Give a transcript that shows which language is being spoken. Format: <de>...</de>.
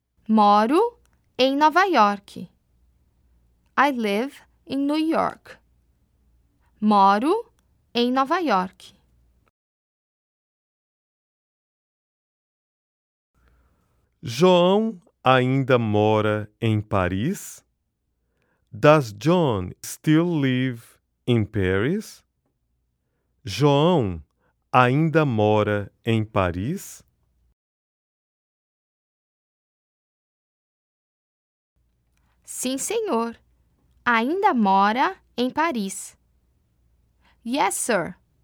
<pt>Moro em Nova York.</pt> <en>I live in New York.</en> <pt>Moro em Nova York. João ainda mora em Paris?</pt> <en>Does John still live in Paris?</en> <pt>João ainda mora em Paris? Sim, senhor. Ainda mora em Paris.</pt> <en>Yes, sir.</en>